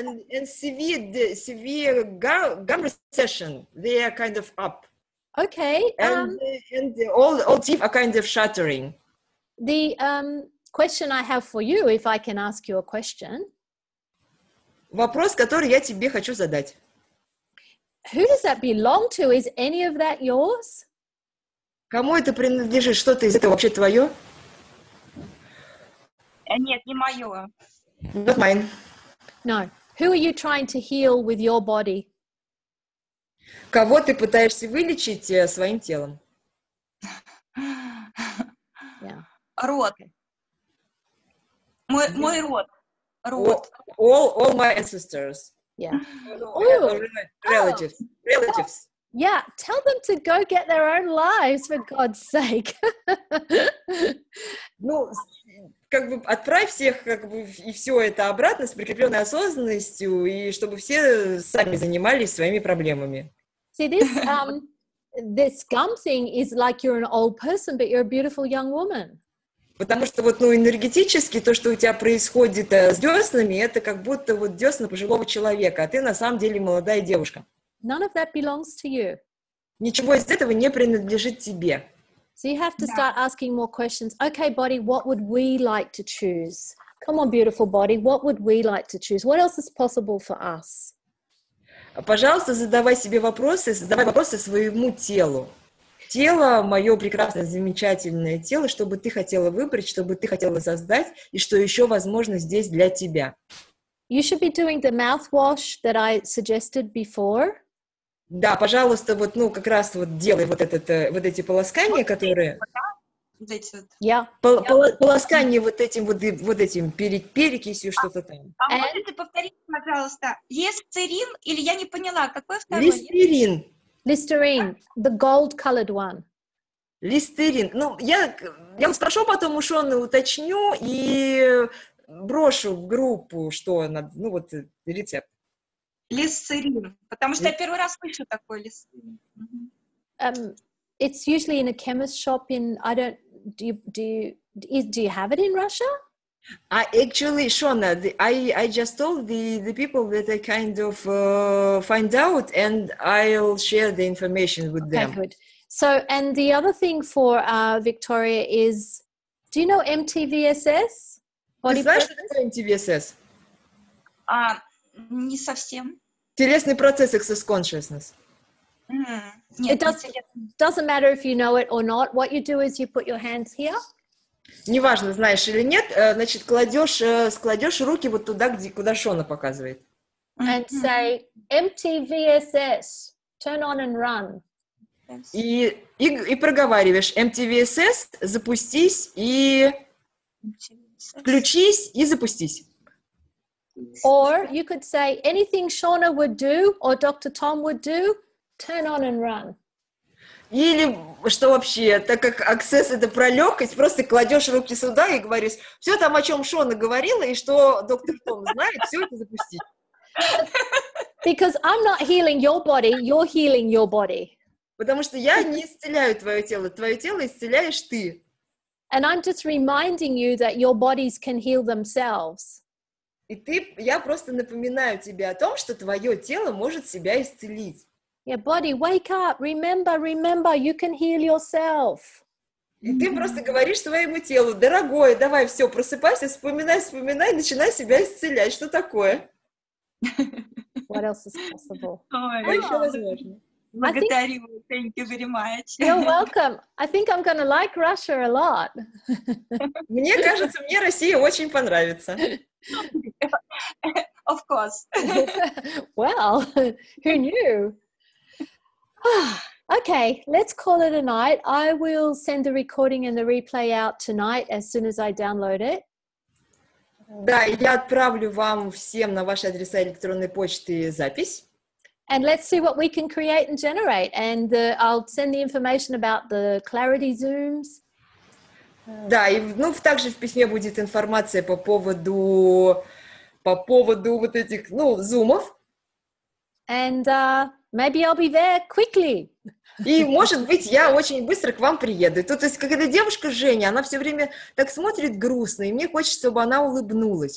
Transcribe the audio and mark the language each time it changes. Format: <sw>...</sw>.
<en>and severe gum recession, they are kind of up. Okay. And all teeth are kind of shattering. The question I have for you, if I can ask you a question.</en> <ru>Вопрос, который я тебе хочу задать.</ru> <en>Who does that belong to? Is any of that yours?</en> <ru>Кому это принадлежит? Что-то из этого вообще твое? Нет, не мое.</ru> <en>Not mine. No. Who are you trying to heal with your body?</en> <ru>Кого ты пытаешься вылечить своим телом? Yeah. Рот. Мой рот.</ru> <en>All my ancestors. Yeah. Ooh. Relatives. Oh. Relatives. Yeah, tell them to go get their own lives, for God's sake.</en> <ru>Ну, как бы отправь всех, как бы, и все это обратно с прикрепленной осознанностью, и чтобы все сами занимались своими проблемами.</ru> <en>See, this gum thing is like you're an old person, but you're a beautiful young woman.</en> <ru>Потому что вот, ну, энергетически то, что у тебя происходит с деснами, это как будто вот десна пожилого человека, а ты на самом деле молодая девушка.</ru> <en>None of that belongs to you.</en> <ru>Ничего из этого не принадлежит тебе.</ru> <en>So you have to start asking more questions. Okay, body, what would we like to choose? Come on, beautiful body, what would we like to choose? What else is possible for us?</en> <ru>Пожалуйста, задавай себе вопросы, задавай вопросы своему телу. Тело, мое прекрасное, замечательное тело, что бы ты хотела выбрать, что бы ты хотела создать, и что еще возможно здесь для тебя.</ru> <en>You should be doing the mouthwash that I suggested before.</en> <ru>Да, пожалуйста, вот, ну, как раз вот делай вот этот, вот эти полоскания, которые... Полоскание вот этим, вот этим перекисью, что-то там. А можете повторить, пожалуйста, лестерин, или я не поняла, какой второй? Листерин.</ru> <en>Листерин, the gold-colored one.</en> <ru>Листерин. Ну, я спрошу потом у Шона, уточню и брошу в группу, что, ну, вот, рецепт. Лицерин, потому что я первый раз слышу такой лицерин.</ru> <en>It's usually in a chemist shop in, I don't, do you have it in Russia? Actually, Shona, I just told the people that I kind of find out, and I'll share the information with them. Okay, good. So, and the other thing for Victoria is, do you know MTVSS?</en> <ru>Ты знаешь, что такое MTVSS? Не совсем. Телесный процесс Access Consciousness.</ru> <en>It doesn't matter if you know it or not. What you do is you put your hands here.</en> <ru>Неважно, знаешь или нет, значит, кладешь руки вот туда, где, куда Шона показывает.</ru> <en>And say, MTVSS, turn on and run.</en> <ru>И проговариваешь, MTVSS, запустись и... Включись и запустись.</ru> <en>Or you could say anything Shauna would do or Dr. Tom would do, turn on and run.</en> <ru>Или что вообще, так как Access это про легкость, просто кладешь руки сюда и говоришь, все там, о чем Шона говорила, и что доктор Том знает, все это запустить.</ru> <en>Because I'm not healing your body, you're healing your body.</en> <ru>Потому что я не исцеляю твое тело исцеляешь ты.</ru> <en>And I'm just reminding you that your bodies can heal themselves.</en> <ru>И ты, я просто напоминаю тебе о том, что твое тело может себя исцелить.</ru> <en>Yeah, body, wake up, remember, you can heal yourself.</en> <ru>И ты просто говоришь своему телу, дорогое, давай, все, просыпайся, вспоминай, начинай себя исцелять. Что такое?</ru> <en>What else is possible?</en> <ru>Что еще возможно? Благодарю,</ru> <en>thank you very much. You're welcome. I think I'm going to like Russia a lot.</en> <ru>Мне кажется, мне Россия очень понравится.</ru> <en>Of course. Well, who knew? Okay, let's call it a night. I will send the recording and the replay out tonight as soon as I download it.</en> <ru>Да, я отправлю вам всем на ваши адреса электронной почты запись.</ru> <en>And let's see what we can create and generate. And I'll send the information about the Clarity Zooms.</en> <ru>Да, и, ну, также в письме будет информация по поводу по поводу вот этих, ну, зумов.</ru> <en>And maybe I'll be there quickly.</en> <ru>И, может быть, я очень быстро к вам приеду. То есть, когда девушка Женя, она все время так смотрит грустно, и мне хочется, чтобы она улыбнулась.</ru>